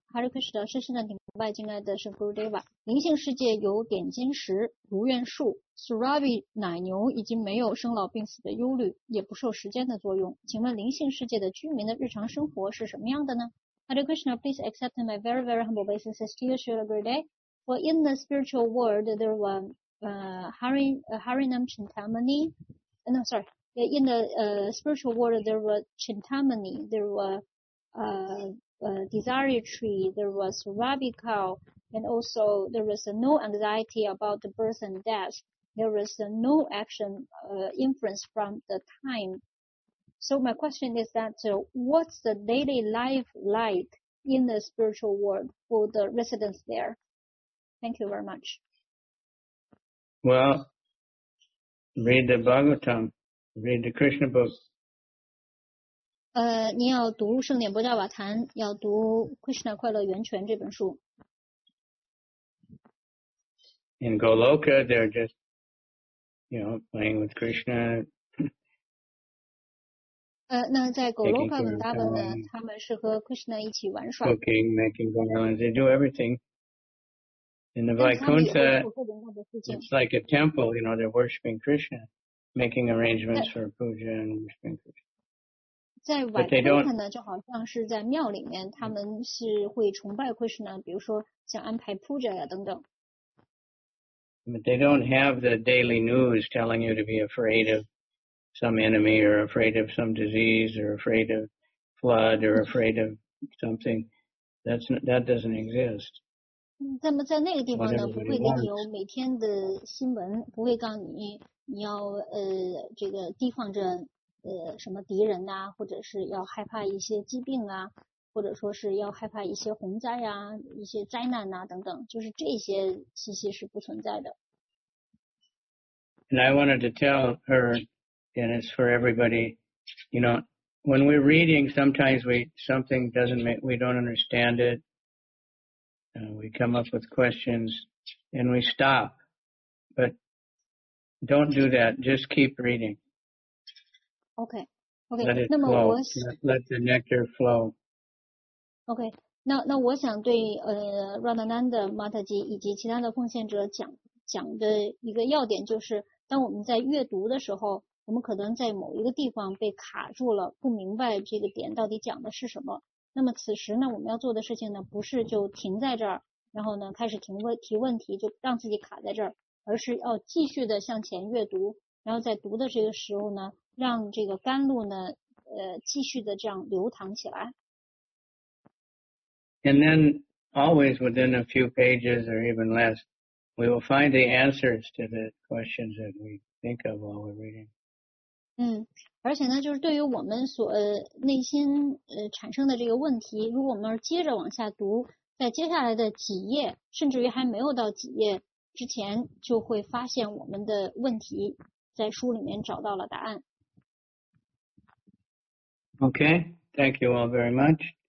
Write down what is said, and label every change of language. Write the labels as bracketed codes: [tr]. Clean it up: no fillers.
[zh] Hare Krishna, 深深的礼拜进来的是 Gurudeva。灵性世界有点金石、如愿树、Suravi 奶牛，已经没有生老病死的忧虑，也不受时间的作用。请问灵性世界的居民的日常生活是什么样的呢 [en] ？Hare Krishna, please accept my very very humble obeisances to you, Srila Gurudev. For in the spiritual world, there were Harinam Chintamani. No, sorry. In the spiritual world, there were Chintamani. There were Desire Tree. There was Suravi Cow. And also, there is no anxiety about the birth and death. There is no action inference from the time. So my question is that, what's the daily life like in the spiritual world for the residents there? Thank you very much. Well, read the Bhagavatam, read the Krishna book. [zh] 您要读《圣莲波迦瓦坛》，要读《Krishna 快乐源泉》这本书。 [en] In Goloka, they're just, you know, playing with Krishna. [zh] 那在 Goloka Vrindavan 呢，他们是和 Krishna 一起玩耍。 [en] Cooking, making garlands, they do everything. In the Vaikuntha, it's like a temple, you know, they're worshipping Krishna, making arrangements for puja and worshipping Krishna. [zh] 在 Vaikuntha 呢，就好像是在庙里面，他们是会崇拜 Krishna， 比如说想安排 puja 呀等等。 [en] But they don't have the daily news telling you to be afraid of some enemy or afraid of some disease or afraid of flood or afraid of something. That doesn't exist. [zh] 那么在那个地方呢，不会给你有每天的新闻，不会告诉你你要这个提防着什么敌人啊，或者是要害怕一些疾病啊，或者说是要害怕一些洪灾啊，一些灾难啊等等，就是这些信息是不存在的。 [en] And I wanted to tell her, and it's for everybody, you know, when we're reading, sometimes we don't understand it. We come up with questions and we stop. But don't do that. Just keep reading. Okay. Let it flow. Let the nectar flow. Okay. [zh] 那我想对Radhananda Mataji 以及其他的奉献者讲的一个要点就是当我们在阅读的时候，我们可能在某一个地方被卡住了，不明白这个点到底讲的是什么。那么此时呢，我们要做的事情呢，不是就停在这儿，然后呢开始提问题，就让自己卡在这儿，而是要继续的向前阅读，然后在读的这个时候呢，让这个甘露呢，继续的这样流淌起来。 [en] And then always within a few pages or even less. We will find the answers to the questions that we think of while we're reading. [zh] 而且呢，就是对于我们所内心产生的这个问题，如果我们接着往下读，在接下来的几页，甚至于还没有到几页之前，就会发现我们的问题在书里面找到了答案。 [en] Okay, thank you all very much.